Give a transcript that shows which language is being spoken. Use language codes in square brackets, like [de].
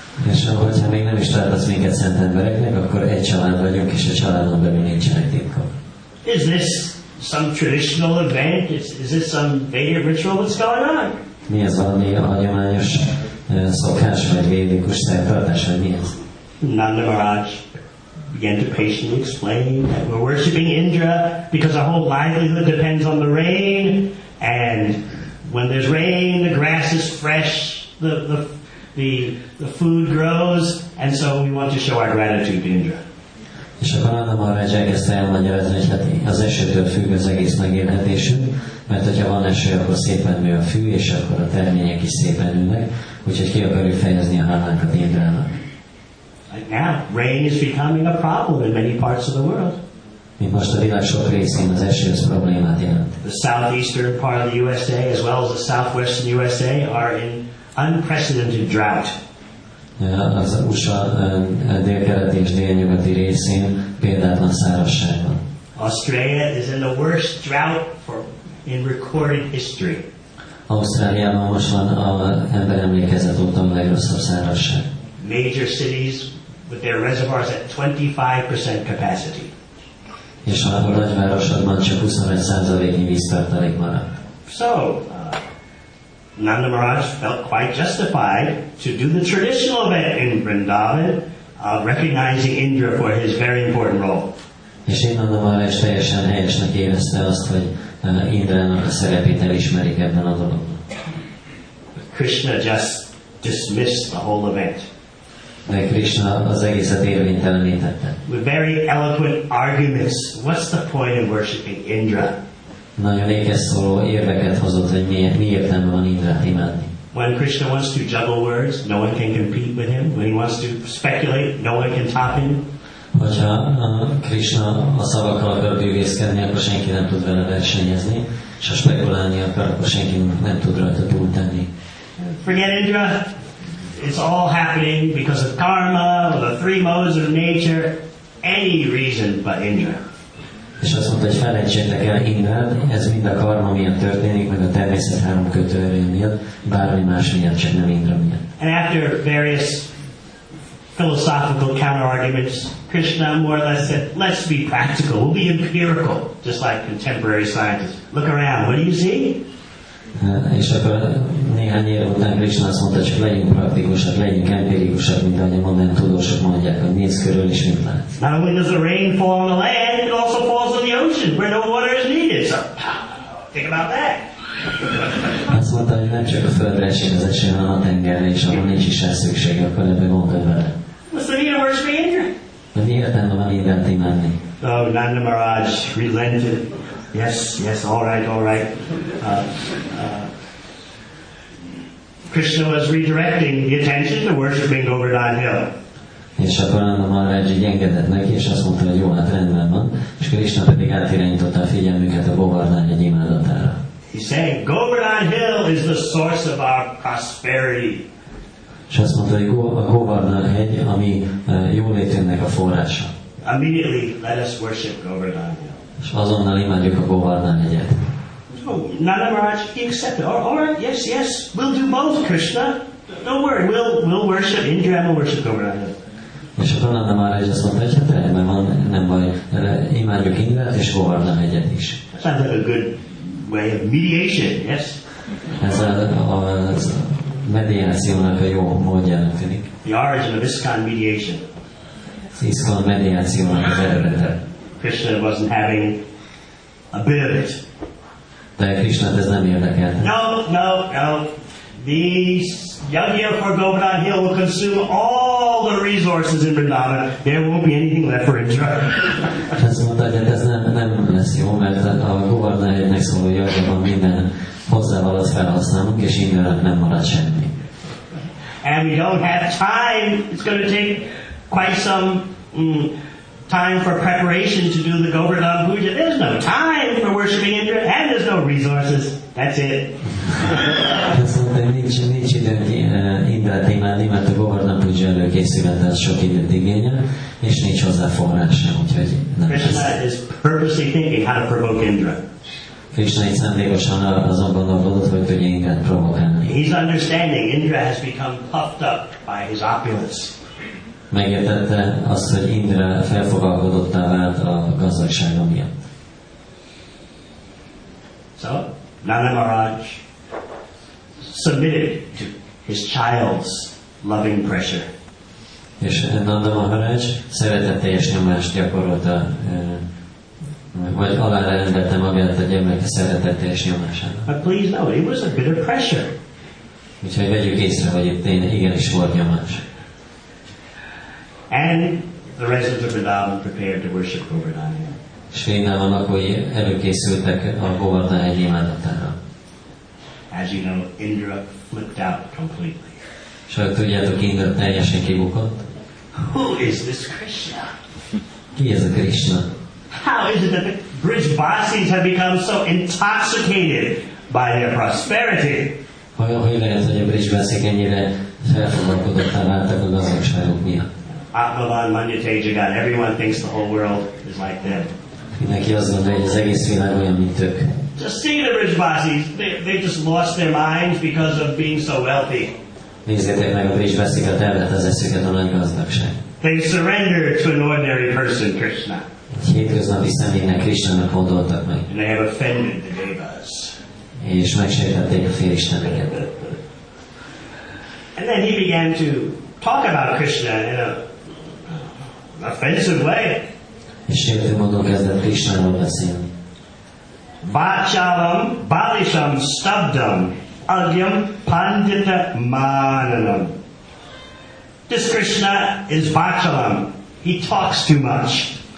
[hu] És hogyha még nem is tartasz minket szent embereknek, akkor egy család vagyunk, és a családon belül nincsenek titkok. [en] Is this some traditional event? Is this some Vedic ritual? What's going on? [hu] Mi ez valami hagyományos szokás, vagy védikus szertartás, vagy mi ez? [en] Nanda Maharaj began to patiently explain that we're worshipping Indra because our whole livelihood depends on the rain, and when there's rain, the grass is fresh, the food grows, and so we want to show our gratitude to Indra. [hu] És akkor Nanda Maharaj elkezdte elmagyarázni, hogy hát az esőtől függ az egész megélhetésünk, mert hogyha van eső, akkor szépen nő a fű, és akkor a termények is szépen nőnek, úgyhogy ki akarjuk fejezni a hálánkat Indrának. [en] Like now, rain is becoming a problem in many parts of the world. [hu] Mint most a világ sok részén az eső az problémát jelent. [en] The southeastern part of the USA, as well as the southwestern USA, are in unprecedented drought. [hu] Az USA délkeleti és délnyugati részén példátlan szárazság van. [en] Australia is in the worst drought in recorded history. [hu] Ausztráliában most van ember emlékezet óta a legrosszabb szárazság. [en] Major cities with their reservoirs at 25% capacity. [hu] És a nagyvárosokban csak 25%-nyi víztartalék maradt. [en] So, Nanda Maharaj felt quite justified to do the traditional event in Vrindavan, recognizing Indra for his very important role. [hu] És én Nanda Maharaj teljesen helyesnek érezte azt, hogy Indrának a szerepét elismerik ebben a dologban. [en] Krishna just dismissed the whole event. [hu] De Krishna az egészet érvénytelenítette. [en] With very eloquent arguments, what's the point of worshipping Indra? [hu] Nagyon ékeszóló érveket hozott, hogy mi értelme van Indrát imádni. [en] When Krishna wants to juggle words, no one can compete with him. When he wants to speculate, no one can top him. [hu] Hogyha Krishna a szavakkal akar bűvészkedni, akkor senki nem tud vele versenyezni, és ha spekulálni akar, akkor senki nem tud rajta túltenni. [en] Forget Indra! It's all happening because of karma, or the three modes of nature, any reason but Indra. [hu] És azt mondta, hogy felejtsétek el Indrát, ez mind a karma miatt történik, meg a természet három kötőerő miatt, bármi más miatt, csak nem Indra miatt. [en] And after various philosophical counter-arguments, Krishna more or less said, let's be practical, we'll be empirical, just like contemporary scientists. Look around, what do you see? [hu] És akkor néhány év után Krishna azt mondta, csak legyünk praktikusak, legyünk empirikusak, mint ahogy a modern tudósok mondják, hogy nézz körül és mit látsz. [en] Not only does the rain fall on the land, it also falls on the ocean, where no water is needed, so think about that. [hu] Azt mondta, hogy nem csak a földre esik az eső, hanem a tengerre, és ahol nincs is rá szükség, akkor ebben gondolj vele. [en] What's the meaning of worshiping Indra? [hu] Mi értelme van Indrát imádni? [en] Oh, Nanda Maharaj relented. Yes, yes, all right, all right. Krishna was redirecting the attention to worshiping Govardhan Hill. [hu] És akkor Nanda Maharaj így engedett neki, és azt mondta, hogy jó, hát rendben van. És Krishna pedig átirányította a figyelmüket a Govardhan egy imádatára. [en] He said, Govardhan Hill is the source of our prosperity. [hu] És azt mondta, hogy a Govardhan hegy, ami jólétünknek a forrása. [en] Immediately, let us worship Govardhan Hill. [hu] És azonnal imádjuk a Govardhan hegyet. [en] Nanda Maharaj, he accepted. All right, yes, yes, we'll do both, Krishna. Don't worry, we'll worship Indra and we'll worship Govardhana. [hu] És akkor Nanda Maharaj azt mondta, hogy hát rendben van, nem baj, imádjuk Indrát és Govardhana egyet is. [en] Sounds like a good way of mediation, yes? [hu] Ez az mediációnak a jó módjának tűnik. [en] The origin of ISKCON mediation. [hu] ISKCON mediációnak az eredete. [en] Krishna wasn't having a bit of it. [hu] De Krishna ez nem érdekel. [en] No. These yagya for Govardhana Hill will consume all the resources in Vrindavan. There won't be anything left for Indra. [hu] Ez mondta, hogy ez nem lesz jó, mert a Govardhana Hillnek szóló jagyában minden hozzávalót felhasználunk, és Indrának nem marad semmi. [en] And we don't have time. It's going to take quite some time for preparation to do the Govardhana Puja. There's no time for worshiping Indra, and there's no resources. That's it. [hu] Ez nincs időnk Indrát imádni, mert a Govardhana Puja előkészület az sok időt igényel, és nincs hozzá forrás sem, úgyhogy nem. [en] Krishna is purposely thinking how to provoke Indra. [hu] Krishna itt szándékosan azonban gondolod, hogy tudja Indrát provokálni. [en] He's understanding Indra has become puffed up by his opulence. [hu] Megértette azt, hogy Indra felfogalkodottá vált a gazdagsága miatt. [en] So, Nanda Maharaj submitted to his child's loving pressure. [hu] És Nanda Maharaj szeretetteljes nyomást gyakorolta, vagy alárendelte magát a gyermek szeretetteljes nyomására. [en] But please know, it was a bit of pressure. [hu] Úgyhogy vegyük észre, hogy itt tényleg igenis volt nyomás. [en] And the residents of Vrindavan prepared to worship Govardhana. [hu] Srinivasan akkor előkészültek a Govardhana hegy imádatára. [en] As you know, Indra flipped out completely. [hu] És ahogy tudjátok, Indra teljesen kibukott. [en] Who is this Krishna? [hu] Ki ez a Krishna? [en] How is it that the Brijvasis have become so intoxicated by their prosperity? [hu] Hogy lehet, hogy a Brijvasik ennyire felfogalkodottan váltak a gazdagságok miatt? [sa] Atmavan, Manyate, Jagan, [en] everyone thinks the whole world is like them. [hu] Mindenki azt gondolja, hogy az egész világ olyan, mint ők. [en] Just see the Brijvasis, they just lost their minds because of being so wealthy. [hu] Nézzétek meg a Brijvasikat, elvett az eszüket a nagy gazdagság. [en] They surrender to an ordinary person, Krishna. [hu] Egy hétköznapi személynek, Krishnának hondoltak meg. [en] And they have offended the Devas. [hu] És megsértették a félisteneket. [en] And then he began to talk about Krishna in an offensive way. [hu] És sértő módon kezdett Krishnáról beszélni. [sa] Vachavam, balisham, stabdam, agyam, pandita, mananam. [en] This Krishna is vachavam. He talks too much.